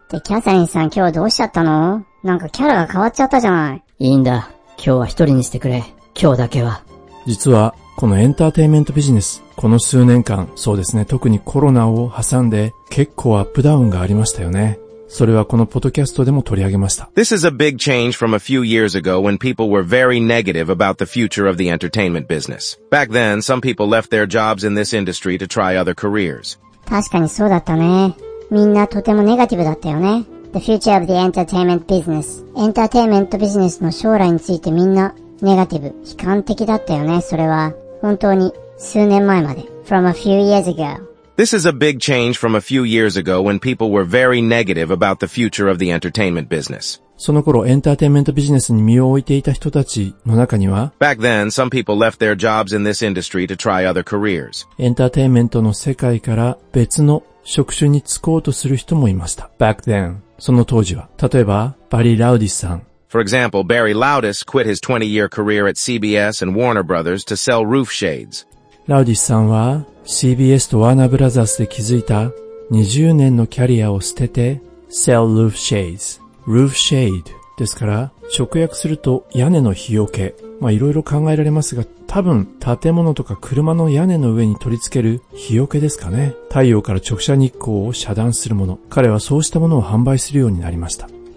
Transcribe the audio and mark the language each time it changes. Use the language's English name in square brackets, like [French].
[Japanese] で、キャサリンさん今日どうしちゃったの？なんかキャラが変わっちゃったじゃない。いいんだ。今日は一人にしてくれ。今日だけは。実は、このエンターテインメントビジネス、この数年間、そうですね、特にコロナを挟んで、結構アップダウンがありましたよね。それはこのポッドキャストでも取り上げました。 [English] This is a big change from a few years ago when people were very negative about the future of the entertainment business. Back then, some people left their jobs in this industry to try other careers. [Japanese] 確かにそうだったね。みんなとてもネガティブだったよね。 [English] The future of the entertainment business. [Japanese] エンターテインメントビジネスの将来についてみんなネガティブ、悲観的だったよね。それは本当に数年前まで。 [English] From a few years ago. This is a big change from a few years ago when people were very negative about the future of the entertainment business. [Japanese] その頃、エンターテインメントビジネスに身を置いていた人たちの中には、 [English] Back then, some people left their jobs in this industry to try other careers. [Japanese] エンターテインメントの世界から別の職種に就こうとする人もいました。 [English] Back then, [Japanese] その当時は。例えば、バリー・ラウディスさん。 [English] For example, Barry Loudis quit his 20-year career at CBS and Warner Brothers to sell roof shades. [Japanese] ラウディスさんは CBS とワーナーブラザースで築いた20年のキャリアを捨てて [English] Sell Roof Shades Roof Shade [Japanese] ですから直訳すると屋根の日よけまあいろいろ考えられますが多分建物とか車の屋根の上に取り付ける日よけですかね太陽から直射日光を遮断するもの彼はそうしたものを販売するようになりました